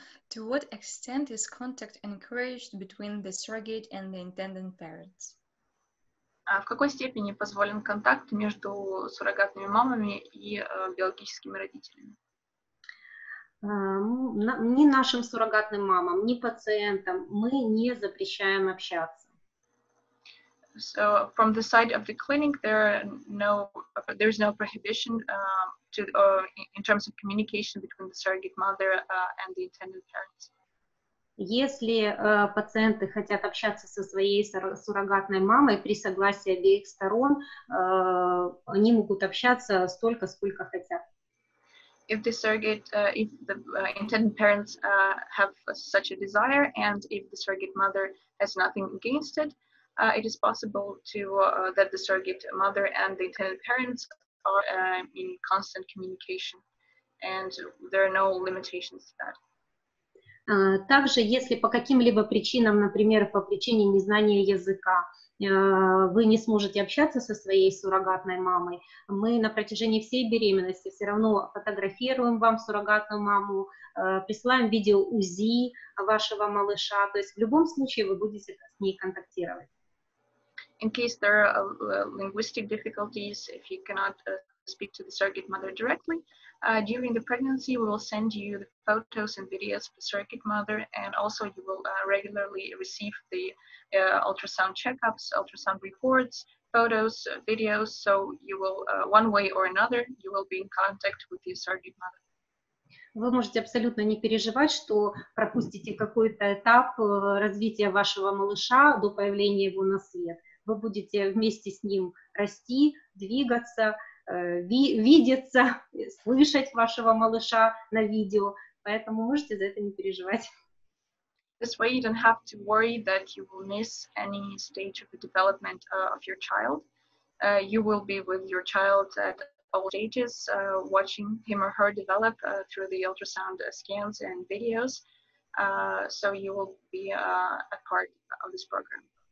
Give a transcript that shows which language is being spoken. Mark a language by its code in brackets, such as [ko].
[en] To what extent is contact encouraged between the surrogate and the intended parents? [ru] В какой степени позволен контакт между суррогатными мамами и биологическими родителями? Ни нашим суррогатным мамам, ни пациентам мы не запрещаем общаться. [en] So from the side of the clinic, there is no prohibition in terms of communication between the surrogate mother and the intended parents. [ru] Если пациенты хотят общаться со своей суррогатной мамой при согласии обеих сторон, они могут общаться столько, сколько хотят. [en] if the surrogate, if the intended parents have such a desire, and if the surrogate mother has nothing against it, it is possible to that the surrogate mother and the intended parents are in constant communication, and there are no limitations to that. [ru] Также, если по каким-либо причинам, например, по причине незнания языка, вы не сможете общаться со своей суррогатной мамой, мы на протяжении всей беременности все равно фотографируем вам суррогатную маму, присылаем видео УЗИ вашего малыша, то есть в любом случае вы будете с ней контактировать. [en] In case there are linguistic difficulties, if you cannot speak to the surrogate mother directly, during the pregnancy we will send you the photos and videos of the surrogate mother, and also you will regularly receive the ultrasound checkups, ultrasound reports, photos, videos, so you will one way or another you will be in contact with the surrogate mother. [ru] Вы можете абсолютно не переживать, что пропустите какой-то этап развития вашего малыша до появления его на свет. Вы будете вместе с ним расти, двигаться, видеться, слышать вашего малыша на видео, поэтому можете за это не переживать. [en] This way you don't have to worry that you will miss any stage of the development of your child. You will be with your child at all stages, watching him or her develop through the ultrasound scans and videos. So you will be a part of this program.